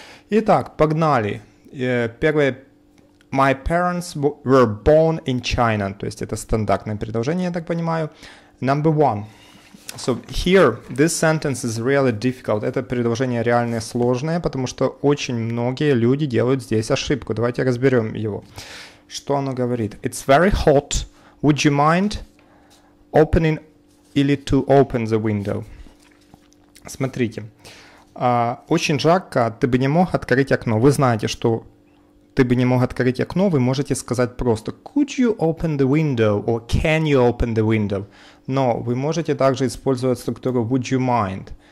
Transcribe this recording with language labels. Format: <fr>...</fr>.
<ru>Итак, погнали. Первое.</ru> <en>My parents were born in China.</en> <ru>То есть это стандартное предложение, я так понимаю.</ru> <en>Number one. So here this sentence is really difficult.</en> <ru>Это предложение реально сложное, потому что очень многие люди делают здесь ошибку. Давайте разберем его. Что оно говорит?</ru> <en>It's very hot. Would you mind opening</en> <ru>или</ru> <en>to open the window?</en> <ru>Смотрите. Очень жарко, ты бы не мог открыть окно. Вы знаете, что ты бы не мог открыть окно, вы можете сказать просто</ru> <en>could you open the window or can you open the window?</en> <ru>Но вы можете также использовать структуру</ru> <en>would you mind.</en>